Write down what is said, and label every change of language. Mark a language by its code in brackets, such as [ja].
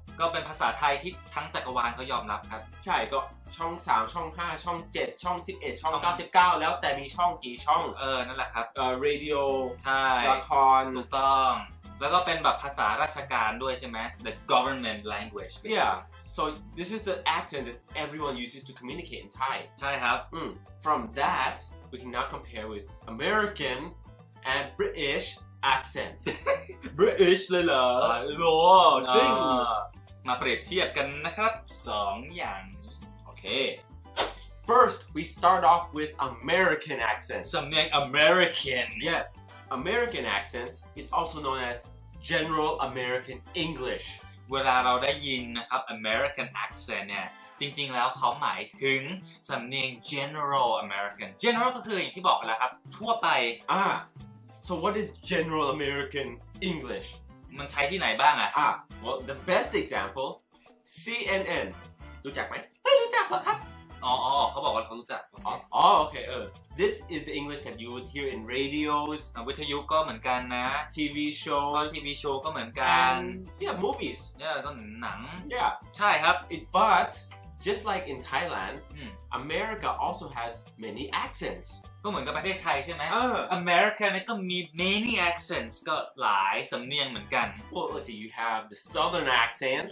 [th] ก็เป็นภาษาไทยที่ทั้งจักรวาลเขายอมรับครับ ใช่ก็ช่อง3ช่อง5ช่อง7ช่อง11ช่อง99แล้วแต่มีช่องกี่ช่อง นั่นแหละครับ [en] radio [th] ใช่ ละคร ถูกต้องแล้วก็เป็นแบบภาษาราชการด้วยใช่ไหม [en] the government language yeah so this is the accent that everyone uses to communicate in Thai [th] ใช่ครับ [en] from that we can now compare with American and Britishaccent [th] British เลยเหรอ จริง มาเปรียบเทียบกันนะครับ2อย่าง [en] โอเค First we start off with American accent [th] สำเนียง American [en] Yes American accent is also known as General American English [th] เวลาเราได้ยินนะครับ American accent เนี่ยจริงๆแล้วเขาหมายถึงสำเนียง General American General ก็คืออย่างที่บอกไปแล้วครับทั่วไป [en] So what is General American English? [th] มันใช้ที่ไหนบ้างอ่ะ [en] Well, the best example, CNN. [th] รู้จักไหม ไม่รู้จักหรอครับ อ๋อเขาบอกว่าเขารู้จัก [en] อ๋อโอเคThis is the English that you would hear in radios. [th] วิทยุก็เหมือนกันนะ [en] TV shows. [th] TV show ก็เหมือนกัน [en] Yeah, movies. [th] Yeah, ก็หนัง [en] Yeah. [th] ใช่ครับ [en] But just like in Thailand, America also has many accents. [th] ก็เหมือนกับประเทศไทยใช่ไหม America นี่ก็มี [en] many accents [th] ก็หลายสำเนียงเหมือนกัน [en] Well, let's see, you have the southern accents